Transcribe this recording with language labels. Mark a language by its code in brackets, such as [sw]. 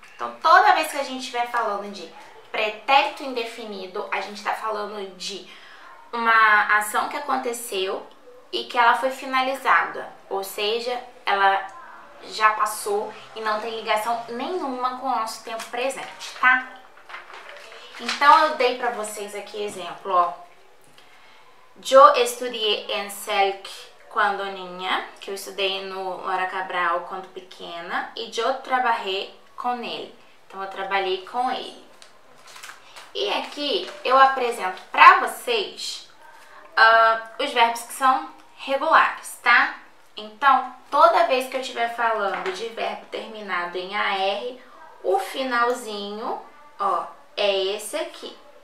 [pt] Então, toda vez que a gente estiver falando de pretérito indefinido, a gente está falando de uma ação que aconteceu e que ela foi finalizada, ou seja, ela já passou e não tem ligação nenhuma com o nosso tempo presente, tá? Então, eu dei para vocês aqui exemplo, ó. [es] Yo estudié en CELC cuando niña, [pt] que eu estudei no Hora Cabral quando pequena, [es] e yo trabajé con él. [pt] Então, eu trabalhei com ele. E aqui eu apresento para vocês os verbos que são regulares, tá? Então, toda vez que eu estiver falando de verbo terminado em AR, o finalzinho, ó, é esse aqui.